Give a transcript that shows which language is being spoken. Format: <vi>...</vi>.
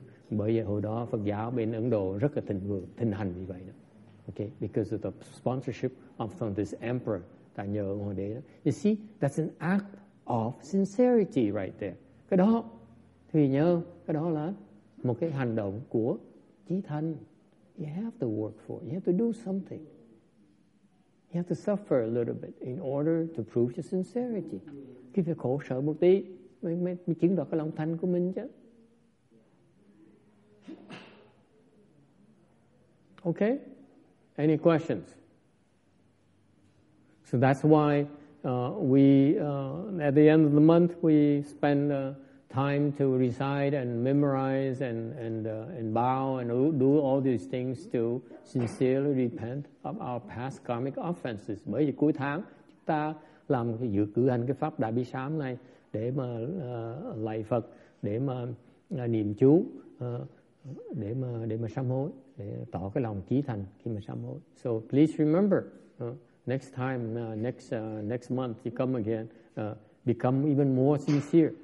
<vi>Bởi vì hồi đó Phật giáo bên Ấn Độ rất là thịnh hành như vậy đó.</vi> <en>Okay, because of the sponsorship of this emperor,</en> <vi>ta nhờ ông hoàng đế đó.</vi> <en>You see, that's an act of sincerity right there.</en> <vi>Cái đó thì nhớ, cái đó là một cái hành động của chí thành.</vi> <en>You have to work for it. You have to do something. You have to suffer a little bit in order to prove your sincerity.</en> <vi>Khi phải khổ sở một tí mới chứng đoạt cái lòng thành của mình chứ.</vi> <en>Okay? Any questions? So that's why we at the end of the month we spend time to recite and memorize and bow and do all these things to sincerely repent of our past karmic offenses.</en> <vi>Bởi vì cuối tháng chúng ta làm dự cử hành cái pháp Đại Bi Sám này để mà lạy Phật, để mà niệm chú, để mà sám hối, để tỏ cái lòng chí thành khi mà sám hối.</vi> <en>So please remember, next time, next month you come again, become even more sincere.</en>